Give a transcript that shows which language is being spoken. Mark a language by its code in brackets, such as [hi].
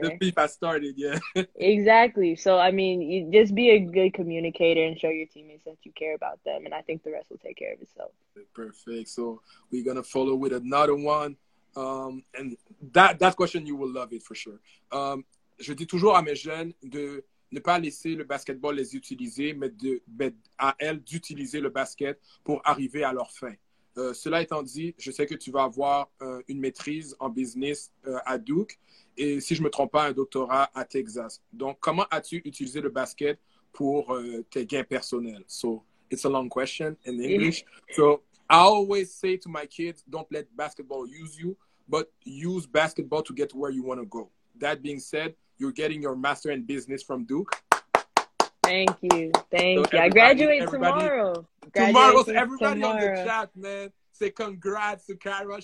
[en] The beef has started. Yeah. Exactly. So I mean, you just be a good communicator and show your teammates that you care about them, and I think the rest will take care of itself. Perfect. So we're gonna follow with another one, and that question you will love it for sure. [fr] Je dis toujours à mes jeunes de ne pas laisser le basketball les utiliser, mais à elles d'utiliser le basket pour arriver à leur fin. Cela étant dit, je sais que tu vas avoir une maîtrise en business à Duke et, si je ne me trompe pas, un doctorat à Texas. Donc, comment as-tu utilisé le basket pour tes gains personnels? [en] So, it's a long question in English. So, I always say to my kids, don't let basketball use you, but use basketball to get where you want to go. That being said, you're getting your master in business from Duke. Thank you. I graduate tomorrow. On the chat, man. Say congrats to Kyra.